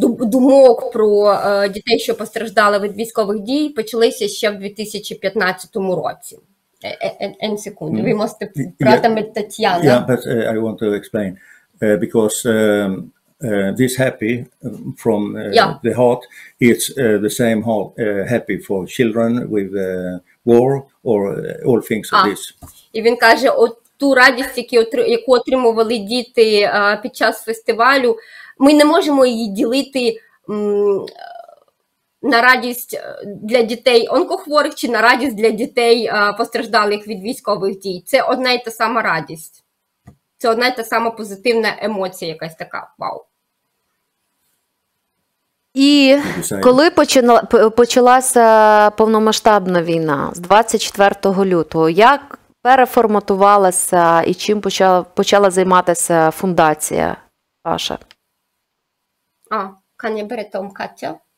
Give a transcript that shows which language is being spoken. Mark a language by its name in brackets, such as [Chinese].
[Ukrainian] думок про дітей, що постраждали від військових дій, почалися ще в 2015 році. Секунду, ви можете прийти, Тетяна. [English] Yeah, but I want to explain, because this happy from the heart, it's the same heart, happy for children with war or all things of this. [Ukrainian] І він каже, от ту радість, яку отримували діти під час фестивалю, ми не можемо її ділити на радість для дітей онкохворих чи на радість для дітей постраждалих від військових дій. Це одна і та сама радість. Це одна і та сама позитивна емоція якась така. Вау. І коли почалася повномасштабна війна з 24 лютого, як переформатувалася і чим почала займатися фундація ваша? [English] А, can you bring Tom, Катя?